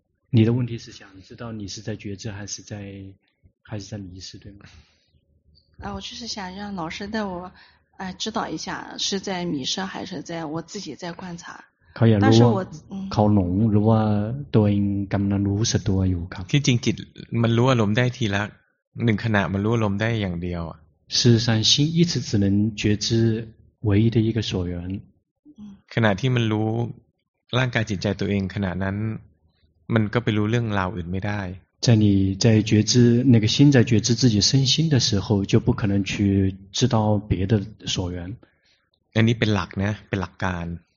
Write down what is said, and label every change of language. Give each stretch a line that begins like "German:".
Chinese: 你的问题是想知道你是在觉知还是在迷失，对吗？啊，我就是想让老师带我，指导一下，是在迷失还是在我自己在观察。可以，但是我
Thai: เขาหลงหรือว่าตัวเองกำลังรู้สึกตัวอยู่ครับ คือจริงจิตมันรู้อารมณ์ได้ทีละหนึ่งขณะมันรู้อารมณ์ได้อย่างเดียวอ่ะ
Chinese: 事实上心一直只能觉知唯一的一个所缘
Thai: ขณะที่มันรู้ร่างกายจิตใจตัวเองขณะนั้นมันก็ไปรู้เรื่องราวอื่นไม่ได้
Chinese: 在你在觉知那个心在觉知自己身心的时候就不可能去知道别的所缘
Thai: อันนี้เป็นหลักนะเป็นหลักการ